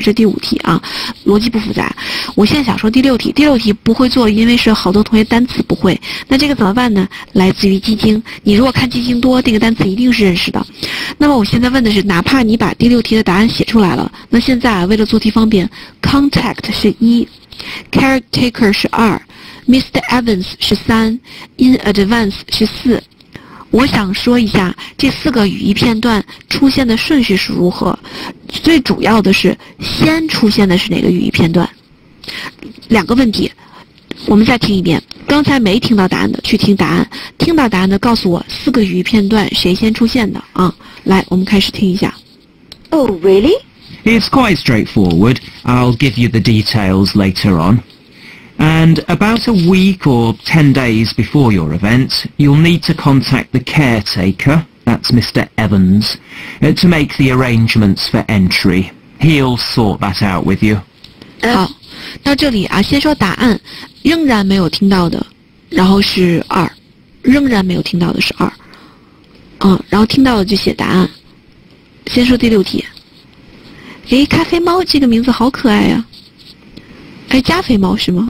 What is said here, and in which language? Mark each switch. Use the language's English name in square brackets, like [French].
[Chinese] 这第五题啊，逻辑不复杂。我现在想说第六题，第六题不会做，因为是好多同学单词不会。那这个怎么办呢？来自于基金，你如果看基金多，这个单词一定是认识的。那么我现在问的是，哪怕你把第六题的答案写出来了，那现在啊，为了做题方便 ，contact 是一 ，caretaker 是二 ，Mr. Evans 是三 ， [English] in advance [Chinese] 是四。我想说一下这四个语义片段出现的顺序是如何，最主要的是先出现的是哪个语义片段。两个问题，我们再听一遍，刚才没听到答案的去听答案，听到答案的告诉我四个语义片段谁先出现的啊？来，我们开始听一下。 [English] Oh, really? It's quite straightforward. I'll give you the details later on. And about a week or 10 days before your event, you'll need to contact the caretaker, that's Mr. Evans, to make the arrangements for entry. He'll sort that out with you. [Chinese] 好，到这里啊，先说答案，仍然没有听到的，然后是二，仍然没有听到的是二，然后听到了就写答案。先说第六题。诶，咖啡猫这个名字好可爱啊。还加菲猫是吗？